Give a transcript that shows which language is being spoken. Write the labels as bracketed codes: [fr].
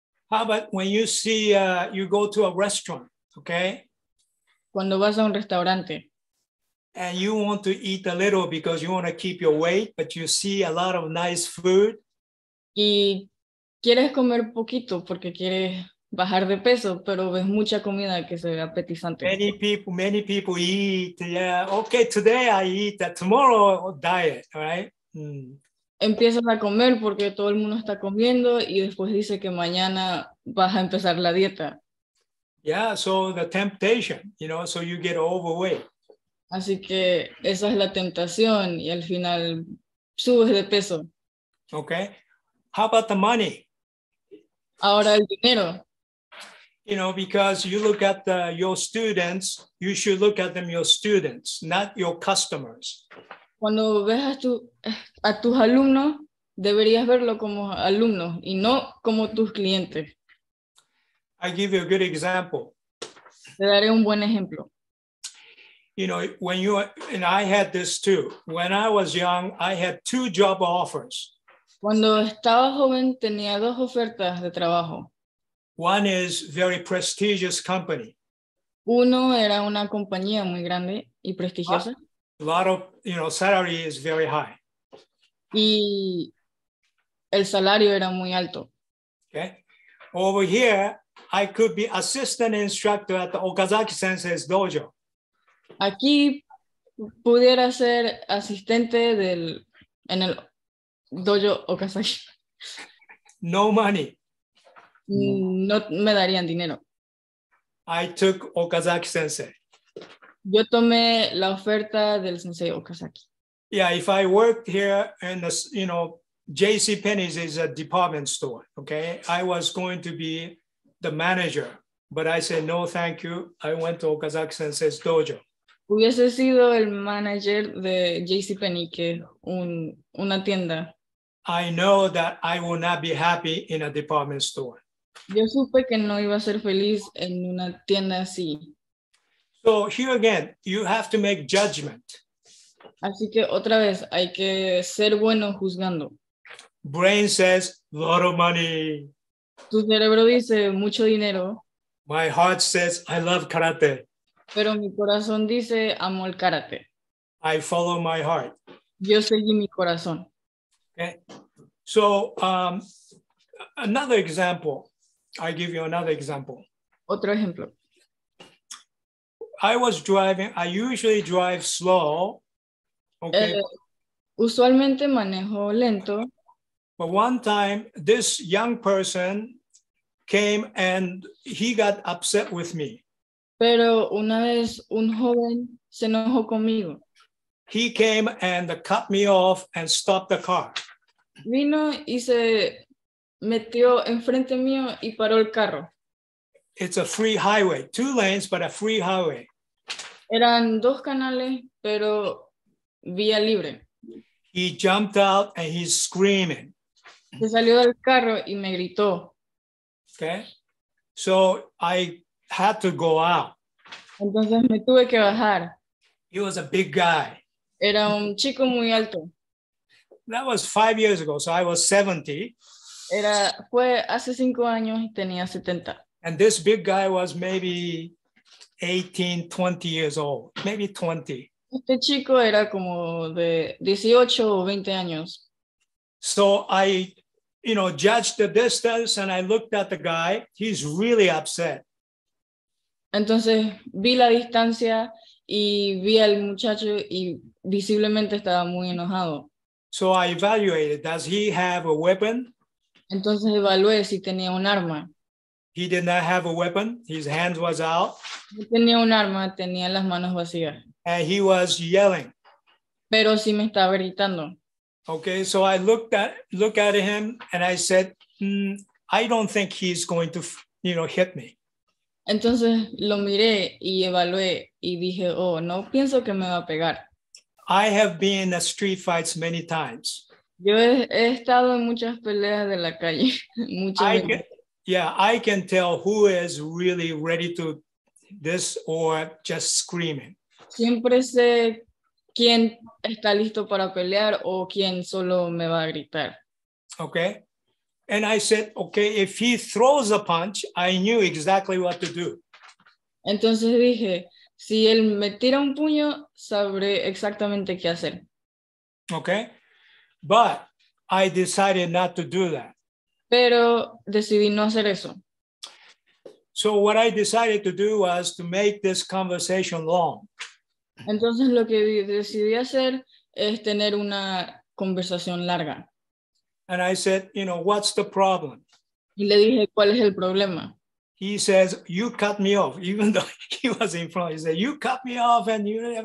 [en] How about when you see, you go to a restaurant, okay? [es] Cuando vas a un restaurante. [en] And you want to eat a little because you want to keep your weight, but you see a lot of nice food. [es] Y quieres comer poquito porque quieres bajar de peso, pero ves mucha comida que se ve apetizante. [en] Many people eat, yeah. Okay, today I eat, tomorrow diet, right? [es] Empiezas a comer porque todo el mundo está comiendo y después dice que mañana vas a empezar la dieta. [en] Yeah, so the temptation, you know, so you get overweight. [es] Así que esa es la tentación y al final subes de peso. [en] Okay. How about the money? [es] Ahora el dinero. [en] You know, because you look at your students, you should look at them your students, not your customers. [es] Cuando ves a tus alumnos, deberías verlo como alumnos y no como tus clientes. [en] I give you a good example. [es] Te daré un buen ejemplo. [en] You know, when you, and I had this too. When I was young, I had two job offers. [es] Cuando estaba joven, tenía dos ofertas de trabajo. [en] One is very prestigious company. [es] Uno era una compañía muy grande y prestigiosa. [en] A lot of, you know, salary is very high. [es] Y el salario era muy alto. [en] Okay. Over here, I could be assistant instructor at the Okazaki Sensei's dojo. [es] Aquí pudiera ser asistente del en el dojo Okazaki. [en] No money. [es] No me darían dinero. [en] I took Okazaki Sensei. [es] Yo tomé la oferta del Sensei Okazaki. [en] Yeah, if I worked here in the, you know, JCPenney's is a department store, okay? I was going to be the manager, but I said, no, thank you. I went to Okazaki Sensei's dojo. [es] Hubiese sido el manager de JCPenney, que una tienda. [en] I know that I will not be happy in a department store. [es] Yo supe que no iba a ser feliz en una tienda así. [en] So here again, you have to make judgment. [es] Así que otra vez, hay que ser bueno juzgando. [en] Brain says, a lot of money. [es] Tu cerebro dice, mucho dinero. [en] My heart says, I love karate. [es] Pero mi corazón dice, amo el karate. [en] I follow my heart. [es] Yo seguí mi corazón. [en] Okay. So another example. I give you another example. [es] Otro ejemplo. [en] I was driving. I usually drive slow. Okay. [es] Usualmente manejo lento. [en] But one time, this young person came and he got upset with me. [es] Pero una vez un joven se enojó conmigo. [en] He came and cut me off and stopped the car. [es] Vino y se metió enfrente mío y paró el carro. [en] It's a free highway, two lanes, but a free highway. [es] Eran dos canales, pero vía libre. [en] He jumped out and he's screaming. [es] Se salió del carro y me gritó. [en] Okay. So I had to go out. [es] Entonces me tuve que bajar. [en] He was a big guy. [es] Era un chico muy alto. [en] That was 5 years ago, so I was 70. [es] Fue hace 5 años y tenía 70. [en] And this big guy was maybe 18, 20 years old, maybe 20. [es] Este chico era como de 18 o 20 años. [en] So I, you know, judged the distance and I looked at the guy. He's really upset. [es] Entonces vi la distancia y vi al muchacho y visiblemente estaba muy enojado. [en] So I evaluated, does he have a weapon? [es] Entonces evalué si tenía un arma. [en] He did not have a weapon. His hands was out. [es] No tenía un arma, tenía las manos vacías. [en] And he was yelling. [es] Pero sí me estaba gritando. [en] Okay, so I looked at him and I said, I don't think he's going to, you know, hit me. [es] Entonces lo miré y evalué y dije, oh, no pienso que me va a pegar. [en] I have been in street fights many times. [es] Yo he estado en muchas peleas de la calle, muchas veces. [en] Yeah, I can tell who is really ready to this or just screaming. [es] Siempre sé quién está listo para pelear o quién solo me va a gritar. [en] Okay. And I said, okay, if he throws a punch, I knew exactly what to do. [es] Entonces dije, si él me tira un puño, sabré exactamente qué hacer. [en] Okay. But I decided not to do that. [es] Pero decidí no hacer eso. [en] So what I decided to do was to make this conversation long. [es] Entonces lo que decidí hacer es tener una conversación larga. [en] And I said, you know, what's the problem? [es] Y le dije, ¿cuál es el problema? [en] He says, you cut me off, even though he was in front. He said, you cut me off and you...